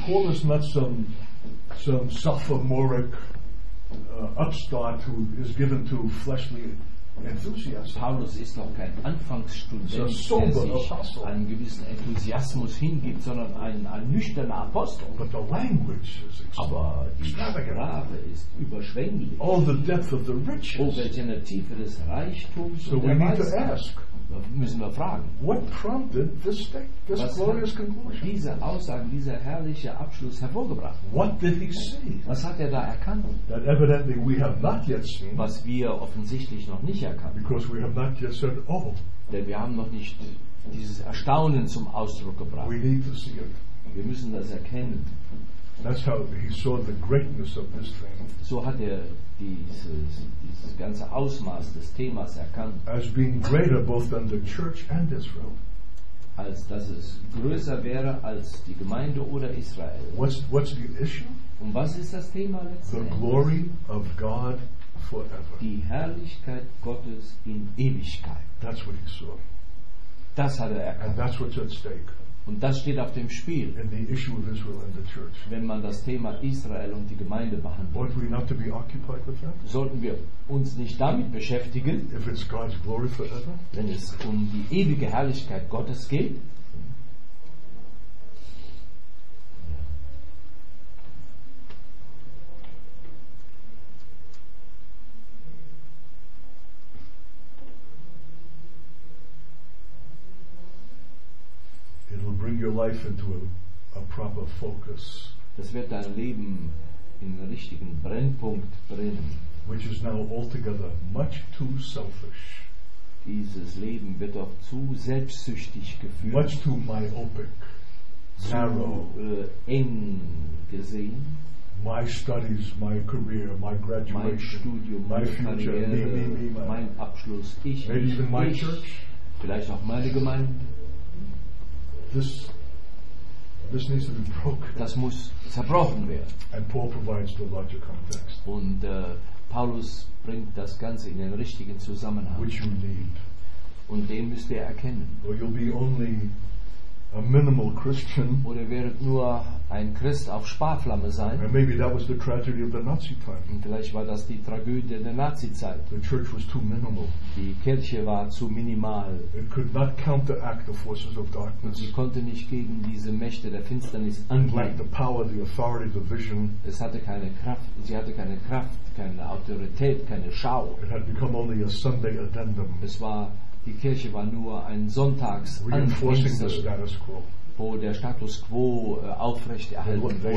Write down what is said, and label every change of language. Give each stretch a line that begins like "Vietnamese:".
English: Paul is not some sophomoric upstart who is given to fleshly Enthusiasm.
German: Paulus ist auch kein Anfangsstudent, der sich einen gewissen Enthusiasmus hingibt, sondern ein nüchterner Apostel.
English: But the language is
German: aber die Sprache ist überschwänglich.
English: All the depth of the riches.
German: Oh, welche eine Tiefe des Reichtums.
English: So we need to ask.
German: Müssen wir fragen.
English: What prompted this glorious conclusion?
German: Diese Aussage, dieser herrliche Abschluss hervorgebracht.
English: What did he see?
German: Was hat er da erkannt?
English: That evidently we have not yet seen.
German: Was wir offensichtlich noch nicht erkannt.
English: Because we have not yet said, oh.
German: Denn wir haben noch nicht dieses Erstaunen zum Ausdruck gebracht.
English: We need to see it.
German: Wir müssen das erkennen.
English: That's how he saw the greatness of this thing.
German: So hat er dieses ganze Ausmaß des Themas erkannt.
English: As being greater both than the church and Israel.
German: Als dass es größer wäre als die Gemeinde oder Israel.
English: What's the issue?
German: Und was ist das Thema letztendlich?
English: The glory of God forever.
German: Die Herrlichkeit Gottes in Ewigkeit.
English: That's what he saw.
German: Das hat er erkannt.
English: And that's what's at stake.
German: Und das steht auf dem Spiel,
English: in the issue of Israel and the church.
German: Wenn man das Thema Israel und die Gemeinde behandelt.
English: We not to be occupied with that?
German: Sollten wir uns nicht damit beschäftigen,
English: if it's God's glory forever?
German: Wenn es um die ewige Herrlichkeit Gottes geht?
English: It'll bring your life into a proper focus.
German: Das wird dein Leben in den richtigen Brennpunkt bringen.
English: Which is now altogether much too selfish.
German: Dieses Leben wird auch zu selbstsüchtig geführt.
English: Much too myopic, narrow.
German: Eng gesehen.
English: My studies, my career, my graduation.
German: Mein Studium,
English: my future,
German: mein Abschluss, ich.
English: Maybe even my church.
German: Vielleicht auch meine Gemeinde.
English: This needs to be broken.
German: Das muss zerbrochen werden.
English: And Paul provides the larger context.
German: Und Paulus bringt das Ganze in den richtigen Zusammenhang.
English: Which you need.
German: Und den müsst ihr erkennen.
English: Or you'll be only a minimal Christian.
German: Oder werdet nur ein Christ auf Sparflamme sein.
English: And maybe that was the tragedy of the Nazi time.
German: Und vielleicht war das die Tragödie der Nazi-Zeit.
English: The church was too minimal.
German: Die Kirche war zu minimal.
English: It could not counteract the forces of darkness.
German: Sie konnte nicht gegen diese Mächte der Finsternis angehen.
English: Like the power, the authority, the vision.
German: Es hatte keine Kraft. Sie hatte keine Kraft, keine Autorität, keine Schau.
English: It had become only a Sunday addendum.
German: Es war die Kirche war nur ein Sonntagsanfänger, wo der Status quo aufrechterhalten wurde.